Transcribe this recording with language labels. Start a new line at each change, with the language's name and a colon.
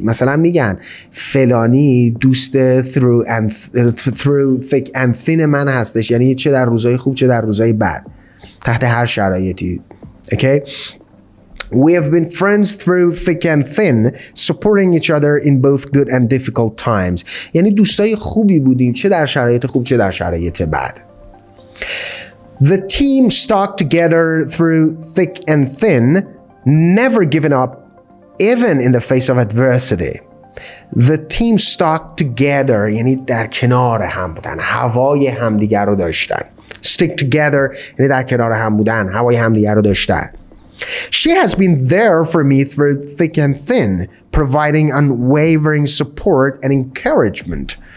Persian: مثلا میگن فلانی دوست
English: through thick and thin
Persian: من هستش، یعنی چه در روزهای خوب چه در روزهای بد، تحت هر شرایطی.
English: Okay, we have been friends through thick and thin, supporting each other in both good and difficult times.
Persian: یعنی دوستای خوبی بودیم چه در شرایط خوب چه در شرایط بد.
English: The team stuck together through thick and thin, never giving up even in the face of adversity. The team stuck together
Persian: یعنی در کنار هم بودن، هوای همدیگر رو داشتن.
English: Stick together
Persian: یعنی در کنار هم بودن، هوای همدیگر رو داشتن.
English: She has been there for me through thick and thin, providing unwavering support and encouragement.